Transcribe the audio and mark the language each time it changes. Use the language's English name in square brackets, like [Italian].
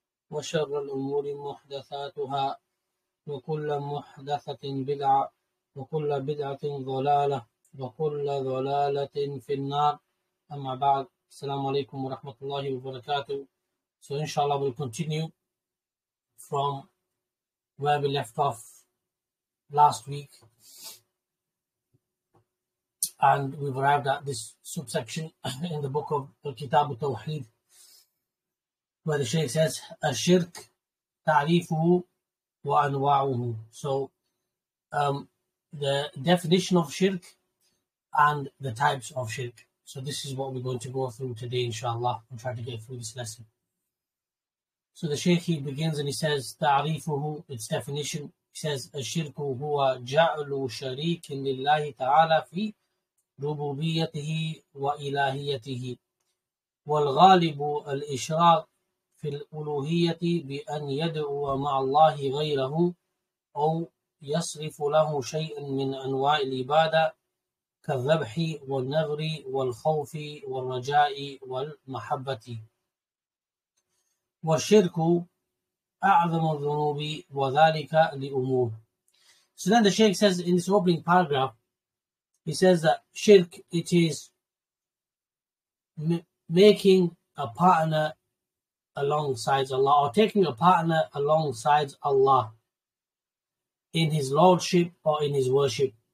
[Arabic] وشر الأمور محدثاتها وكل محدثة بدعة وكل بدعة ضلالة وكل ضلالة في النار أما بعد السلام عليكم ورحمة الله وبركاته [English] So inshallah we'll continue from where we left off last week. And we've arrived at this subsection in the book of Kitab At-Tawheed, where the Shaykh says, [Arabic] "Ash-shirk ta'rifuhu wa anwa'uhu." [English] So, the definition of shirk and the types of shirk. So, this is what we're going to go through today, inshallah, and try to get through this lesson. So, the Shaykh, he begins and he says, "Ta'rifuhu," its definition. He says, [Arabic] "Ash-shirku huwa ja'lu shariqin lillahi ta'ala fi ربوبيته وإلهيته والغالب الإشراك في الألوهية بأن يدعو مع الله غيره أو يصرف له شيئا من أنواع العبادة كالذبح والنذر والخوف والرجاء والمحبة والشرك أعظم الذنوب وذلك لأمور." [English] So then the Shaykh says in this opening paragraph, he says that shirk, it is making a partner alongside Allah, or taking a partner alongside Allah in his lordship or in his worship.